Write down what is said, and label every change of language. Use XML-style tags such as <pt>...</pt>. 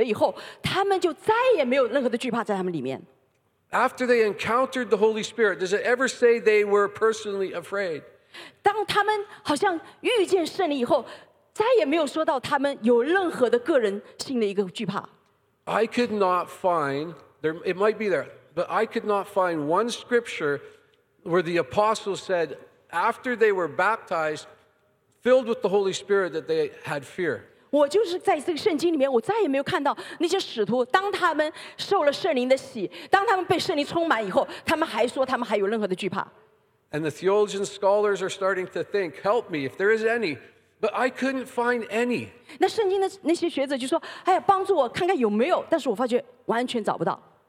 <zh>我就发觉他们当他们被圣灵洗了以后，他们就再也没有任何的惧怕在他们里面。</zh> <en>After they encountered the Holy Spirit, does it ever say they were personally afraid? I could not find, it might be there, but I could not find one scripture where the apostles said, after they were baptized, filled with the Holy Spirit, that they had fear.</en> <zh>我就是在这个圣经里面，我再也没有看到那些使徒，当他们受了圣灵的洗，当他们被圣灵充满以后，他们还说他们还有任何的惧怕。</zh> <en>And the theologian scholars are starting to think, help me if there is any, but I couldn't find any.</en> <zh>那圣经的那些学者就说，哎呀，帮助我看看有没有，但是我发觉完全找不到。</zh>